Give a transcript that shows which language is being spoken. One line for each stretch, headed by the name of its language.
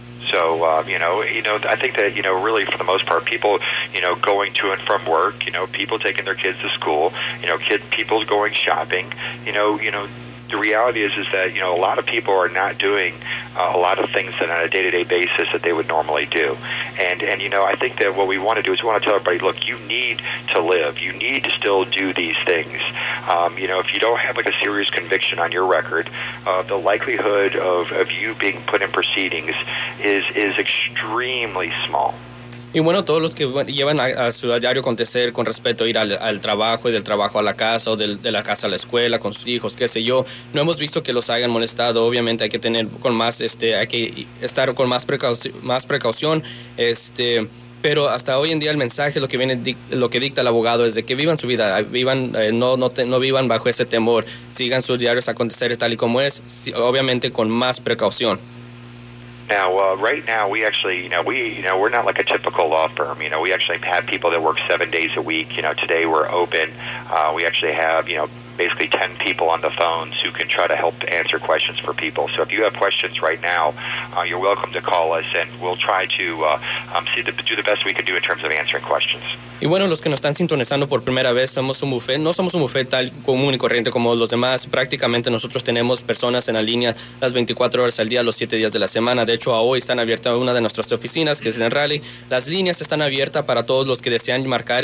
English: So, you know, I think that, you know, really for the most part, people, you know, going to and from work, you know, people taking their kids to school, you know, people going shopping, you know, the reality is that, you know, a lot of people are not doing a lot of things that on a day-to-day basis that they would normally do. And you know, I think that what we want to do is we want to tell everybody, look, you need to live. You need to still do these things. You know, if you don't have, like, a serious conviction on your record, the likelihood of you being put in proceedings is extremely small.
Spanish: Y bueno, todos los que llevan a su diario acontecer con respecto a ir al trabajo y del trabajo a la casa o de la casa a la escuela con sus hijos, qué sé yo, no hemos visto que los hayan molestado. Obviamente hay que tener con más, hay que estar con más precaución, Pero hasta hoy en día el mensaje, lo que viene, lo que dicta el abogado, es de que vivan su vida, vivan, no vivan bajo ese temor, sigan sus diarios aconteceres tal y como es, obviamente con más precaución.
English: Now, right now, we actually, we're not like a typical law firm. You know, we actually have people that work 7 days a week. You know, today we're open. We actually have, basically 10 people on the phones who can try to help answer questions for people. So if you have questions right now, you're welcome to call us, and we'll try to do the best we can do in terms of answering questions.
Spanish: Y bueno, los que nos están sintonizando por primera vez, somos un buffet. No somos un buffet tal común y corriente como los demás. Prácticamente nosotros tenemos personas en la línea las 24 horas al día, los 7 días de la semana. De hecho, hoy están abiertas una de nuestras oficinas, que es en Raleigh. Las líneas están abiertas para todos los que desean marcar.